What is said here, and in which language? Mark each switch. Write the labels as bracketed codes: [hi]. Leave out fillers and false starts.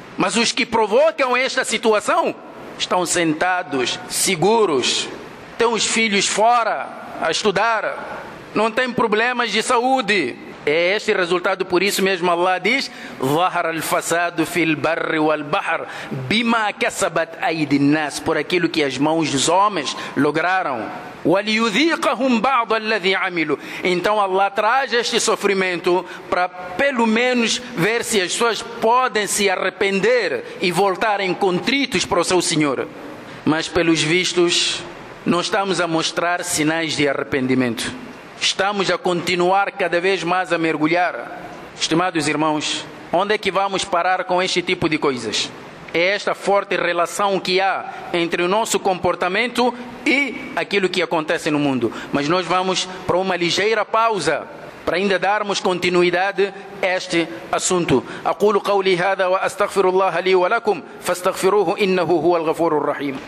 [pt] Mas os que provocam esta situação estão sentados, seguros, têm os filhos fora a estudar, não têm problemas de saúde. É este resultado. Por isso mesmo Allah diz: [ar] ظهر الفساد في البر والبحر بما كسبت أيدي الناس, [pt] por aquilo que as mãos dos homens lograram. [ar] وليذيقهم بعض الذي عملوا. [pt] Então Allah traz este sofrimento para pelo menos ver se as pessoas podem se arrepender e voltarem contritos para o seu Senhor. Mas pelos vistos não estamos a mostrar sinais de arrependimento. Estamos a continuar cada vez mais a mergulhar. Estimados irmãos, onde é que vamos parar com este tipo de coisas? É esta forte relação que há entre o nosso comportamento e aquilo que acontece no mundo. Mas nós vamos para uma ligeira pausa para ainda darmos continuidade a este assunto. [ar] أقول قولي هذا وأستغفر الله لي ولكم فاستغفروه إنه هو الغفور الرحيم.